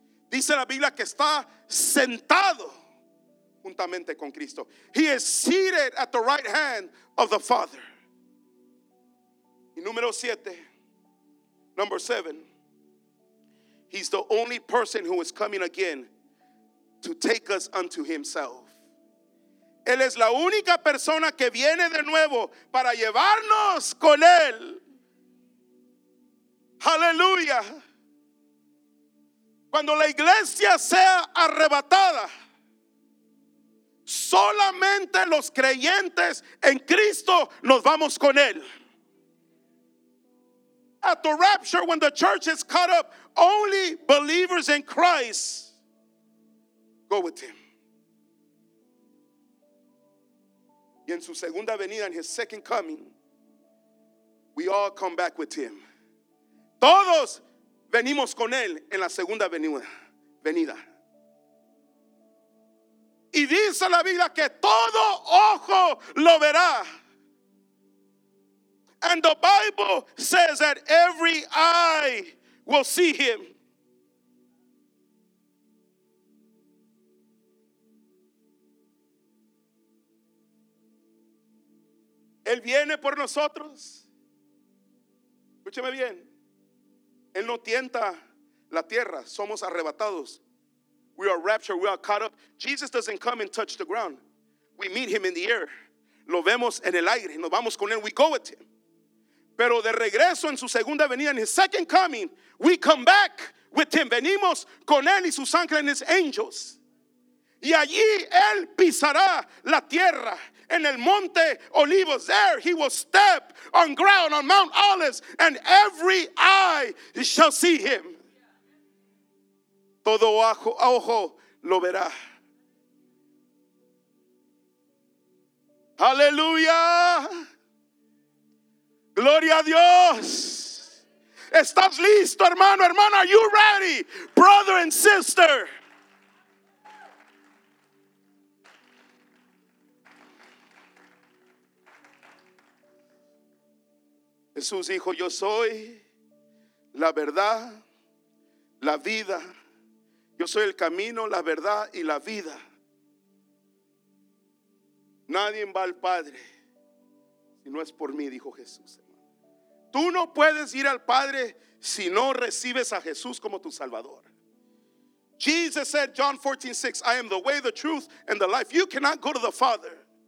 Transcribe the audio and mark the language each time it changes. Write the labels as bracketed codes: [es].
[es] Dice la Biblia que está sentado juntamente con Cristo. [en] He is seated at the right hand of the Father. Y number seven, he's the only person who is coming again to take us unto himself. [es] Él es la única persona que viene de nuevo para llevarnos con él. Hallelujah. Cuando la iglesia sea arrebatada, solamente los creyentes en Cristo nos vamos con él. [en] At the rapture, when the church is caught up, only believers in Christ go with him. [es] Y en su segunda venida, [en] in his second coming, we all come back with him. [es] Todos venimos con él en la segunda venida. Y dice la Biblia que todo ojo lo verá. [en] And the Bible says that every eye will see him. [es] Él viene por nosotros. Escúcheme bien. Él no tienta la tierra. Somos arrebatados. [en] We are raptured. We are caught up. Jesus doesn't come and touch the ground. We meet him in the air. [es] Lo vemos en el aire. Nos vamos con él. [en] We go with him. [es] Pero de regreso en su segunda venida, en [en] his second coming, we come back with him. [es] Venimos con él y sus ángeles [en] and his angels. [es] Y allí él pisará la tierra en el monte Olivos. [en] There he will step on ground on Mount Olives and every eye shall see him. [es] Todo ojo lo verá. Aleluya. Gloria a Dios. ¿Estás listo, hermano, hermana? [en] Are you ready, brother and sister? [es] Jesús dijo, yo soy la verdad, la vida. Yo soy el camino, la verdad y la vida. Nadie va al Padre si no es por mí, dijo Jesús. Tú no puedes ir al Padre si no recibes a Jesús como tu Salvador. [en] Jesus said, John 14:6, I am the way, the truth, and the life. You cannot go to the Father.